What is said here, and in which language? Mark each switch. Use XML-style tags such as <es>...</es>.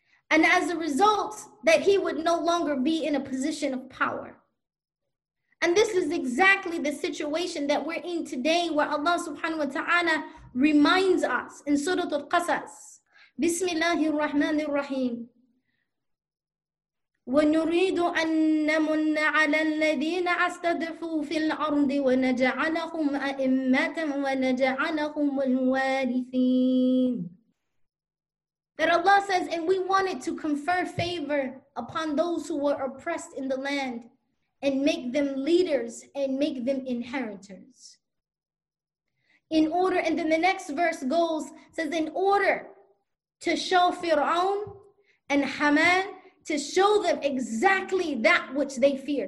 <en>And as a result, that he would no longer be in a position of power. And this is exactly the situation that we're in today, where Allah subhanahu wa ta'ala reminds us in Surah Al-Qasas,</en> <ar>Bismillahir Rahmanir Rahim. ونريد أن نمن على الذين استضعفوا في الأرض ونجعلهم أئمة ونجعلهم الوارثين.</ar> <en>That Allah says, and we wanted to confer favor upon those who were oppressed in the land and make them leaders and make them inheritors. In order, and then the next verse goes, says, in order to show Fir'aun and Haman, to show them exactly that which they fear.</en>